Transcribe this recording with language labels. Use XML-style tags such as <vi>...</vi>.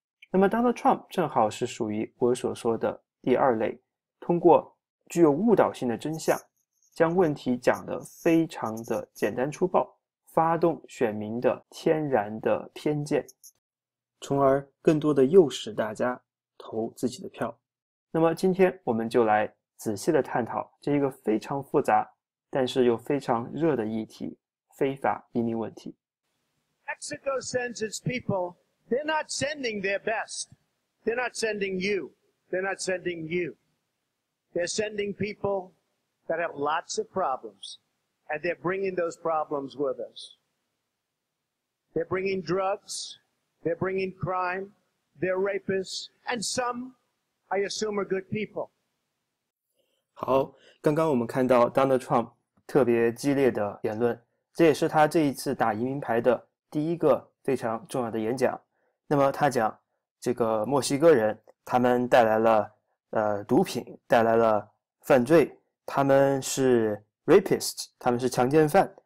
<zh>那么，Donald Trump 正好是属于我所说的第二类，通过具有误导性的真相，将问题讲得非常的简单粗暴，发动选民的天然的偏见，从而更多的诱使大家投自己的票。那么，今天我们就来仔细的探讨这一个非常复杂，但是又非常热的议题——非法移民问题。</zh> <en>Mexico sends its people. They're not sending their best. They're not sending you. They're not sending you. They're sending people that have lots of problems, and they're bringing those problems with us. They're bringing drugs. They're bringing crime. They're rapists, and some, I assume, are good people.</en> <zh>好，刚刚我们看到 Donald Trump 特别激烈的言论，这也是他这一次打移民牌的第一个非常重要的演讲。那么他讲这个墨西哥人，他们带来了毒品，带来了犯罪，他们是 rapist，他们是强奸犯。</zh>